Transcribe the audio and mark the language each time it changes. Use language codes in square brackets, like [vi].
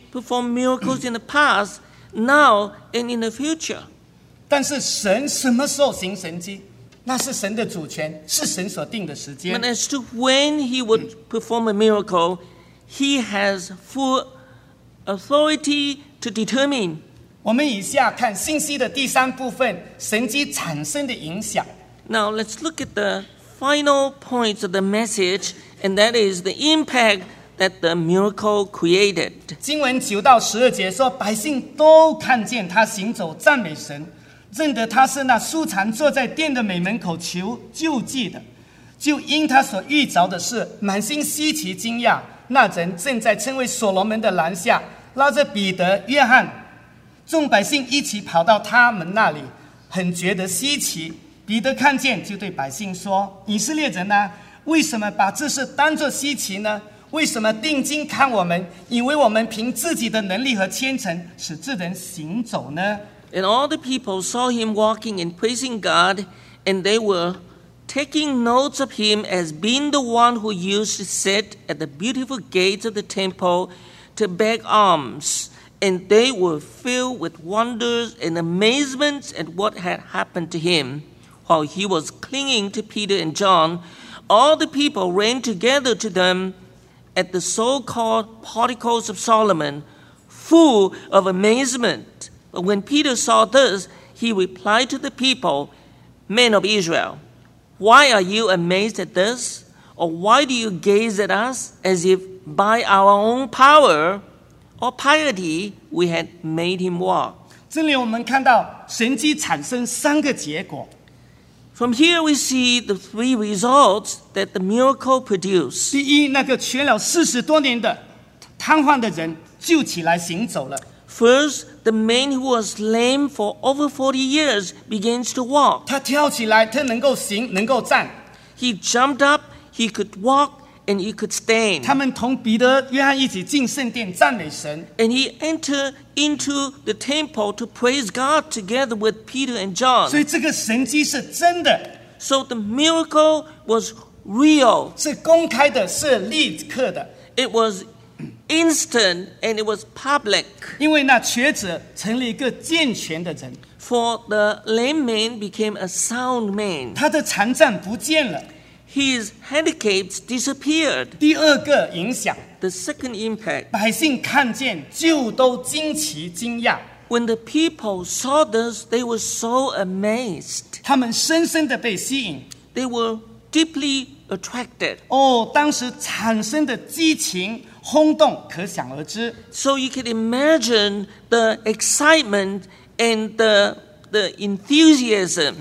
[en] He performed miracles in the past, now, and in the future. [zh] 但是神什么时候行神迹？那是神的主权，是神所定的时间。 [en] But as to when he would perform a miracle, he has full authority to determine. [zh] 我们以下看信息的第三部分，神迹产生的影响。 [en] Now let's look at the final points of the message, and that is the impact that the miracle created. [zh] 经文九到十二节说，百姓都看见他行走，赞美神，认得他是那素常坐在殿的美门口求救济的，就因他所遇着的事，满心稀奇惊讶。那人正在称为所罗门的廊下，拉着彼得、约翰，众百姓一起跑到他们那里，很觉得稀奇。彼得看见，就对百姓说：“以色列人呢、啊，为什么把这事当作稀奇呢？为什么定睛看我们，以为我们凭自己的能力和虔诚使这人行走呢？” [en] And all the people saw him walking and praising God, and they were taking notes of him as being the one who used to sit at the beautiful gates of the temple to beg alms. And they were filled with wonder and amazement at what had happened to him. While he was clinging to Peter and John, all the people ran together to them at the so-called porticoes of Solomon, full of amazement. But when Peter saw this, he replied to the people, "Men of Israel, why are you amazed at this? or why do you gaze at us as if by our own power or piety we had made him walk? [zh] 这里我们看到神迹产生三个结果。 [en] From here we see the three results that the miracle produced. [zh] 第一，那个瘸了四十多年的瘫痪的人就起来行走了。 [en] First, the man who was lame for over 40 years begins to walk. [zh] 他跳起来，他能够行，能够站。 [en] He jumped up, he could walk, and he could stand. [zh] 他们同彼得、约翰一起进圣殿赞美神。 [en] And he entered into the temple to praise God together with Peter and John. [zh] 所以这个神迹是真的。 [en] So the miracle was real. [zh] 是公开的，是立刻的。 [en] It was instant and it was public. [zh] 因为那瘸子成了一个健全的人。 [en] For the lame man became a sound man. [zh] 他的残障不见了。 [en] His handicaps disappeared. [zh] 第二个影响。 [en] The second impact. [zh] 百姓看见就都惊奇惊讶。 [en] When the people saw this, they were so amazed. [zh] 他们深深地被吸引。 [en] They were deeply attracted. [zh] 哦，当时产生的激情轰动可想而知。 [en] So you can imagine the excitement and the enthusiasm.